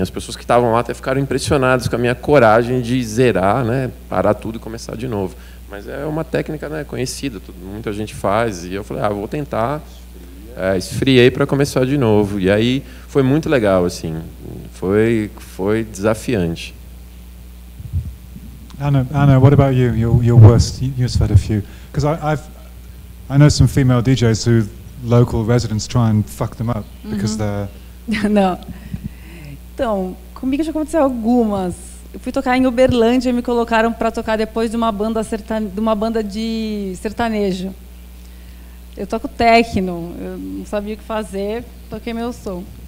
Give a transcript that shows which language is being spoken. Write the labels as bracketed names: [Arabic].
[Portuguese] As pessoas que estavam lá até ficaram impressionadas com a minha coragem de zerar, né, parar tudo e começar de novo. Mas é uma técnica, né, conhecida, muita gente faz, e eu falei, vou tentar. Esfriei para começar de novo, e aí foi muito legal, assim, foi desafiante. [English] Anna, what about you? Your worst, you've had a few. Because I know some female DJs who local residents try and fuck them up because they're... [Portuguese] Não. Então, comigo já aconteceu algumas. Eu fui tocar em Uberlândia e me colocaram para tocar depois de uma banda de sertanejo. Eu toco techno, eu não sabia o que fazer, toquei meu som.